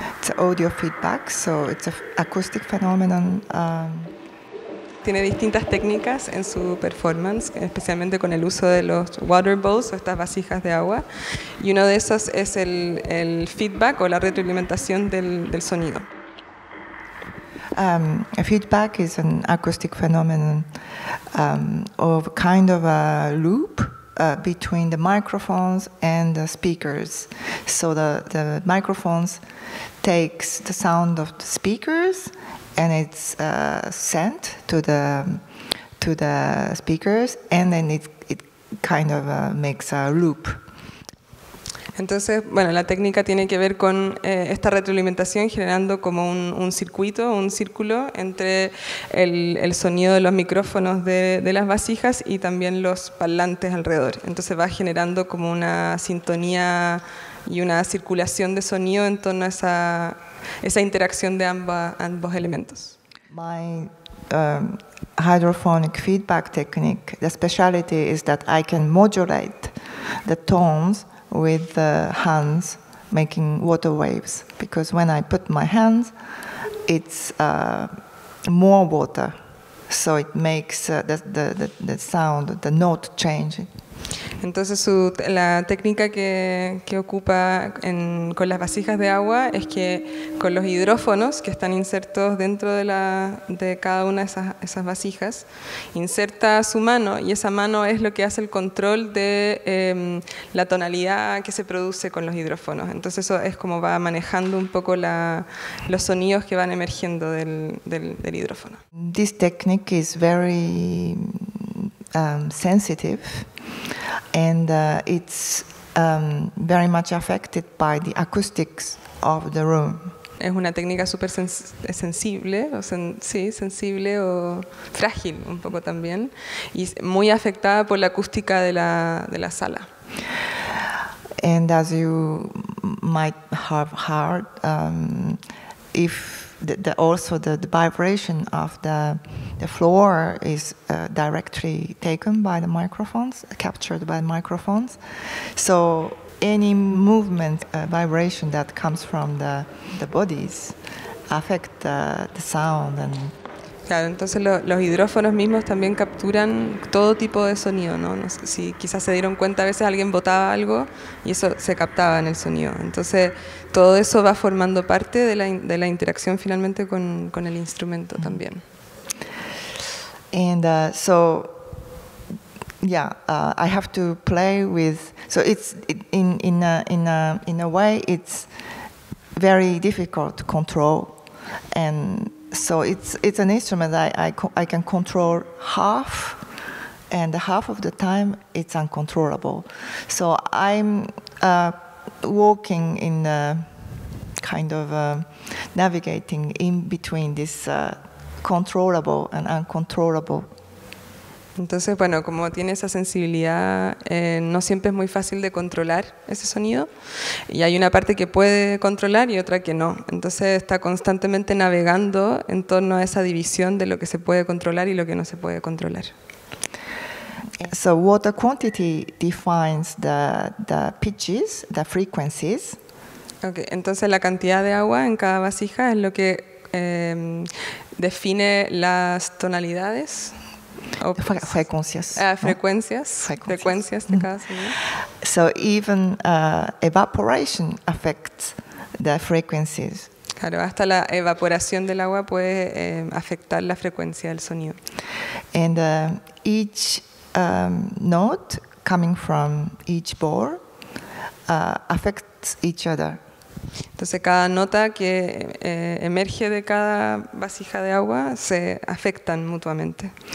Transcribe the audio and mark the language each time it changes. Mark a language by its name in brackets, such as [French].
[English] It's audio feedback, so it's an acoustic phenomenon. [Spanish] Tiene distintas técnicas en su performance, especialmente con el uso de los water bowls o estas vasijas de agua. Y uno de esos es el feedback o la retroalimentación del sonido. [English] Feedback is an acoustic phenomenon of kind of a loop between the microphones and the speakers. So the microphones takes the sound of the speakers and it's sent to the speakers, and then it kind of makes a loop. [Spanish] Entonces, bueno, la técnica tiene que ver con esta retroalimentación generando como un circuito, un círculo entre el sonido de los micrófonos de las vasijas y también los parlantes alrededor. Entonces va generando como una sintonía y una circulación de sonido en torno a esa interacción de ambos elementos. [English] My hydrophonic feedback technique, the speciality is that I can modulate the tones with the hands making water waves, because when I put my hands, it's more water, so it makes the sound, the note change. [Spanish] Entonces la técnica que ocupa con las vasijas de agua es que con los hidrófonos que están insertos dentro de cada una de esas vasijas, inserta su mano y esa mano es lo que hace el control de la tonalidad que se produce con los hidrófonos. Entonces eso es como va manejando un poco los sonidos que van emergiendo del hidrófono. [English] This technique is very sensitive. And it's very much affected by the acoustics of the room. [Spanish] Es una técnica súper sensible, sensible o frágil un poco también, y muy afectada por la acústica de la sala. [English] And as you might have heard, if the vibration of the floor is directly taken by the microphones, captured by the microphones. So any movement, vibration that comes from the bodies affect the sound. And [Spanish] claro, entonces los hidrófonos mismos también capturan todo tipo de sonido, ¿no? No sé, si quizás se dieron cuenta, a veces alguien botaba algo y eso se captaba en el sonido. Entonces todo eso va formando parte de la interacción finalmente con el instrumento también. [English] And so yeah, I have to play with. So it's in a way it's very difficult to control. And so it's an instrument that I can control half, and half of the time it's uncontrollable. So I'm walking in a kind of navigating in between this controllable and uncontrollable. [Spanish] Entonces, bueno, como tiene esa sensibilidad, no siempre es muy fácil de controlar ese sonido. Y hay una parte que puede controlar y otra que no. Entonces está constantemente navegando en torno a esa división de lo que se puede controlar y lo que no se puede controlar. [English] So water quantity defines the pitches, the frequencies. [Spanish] Okay, entonces la cantidad de agua en cada vasija es lo que define las tonalidades. Frecuencias de cada sonido. [English] So even evaporation affects the frequencies. [Spanish] Claro, hasta la evaporación del agua puede afectar la frecuencia del sonido. [English] And each note coming from each bore affects each other. [Spanish] Entonces cada nota que emerge de cada vasija de agua se afectan mutuamente.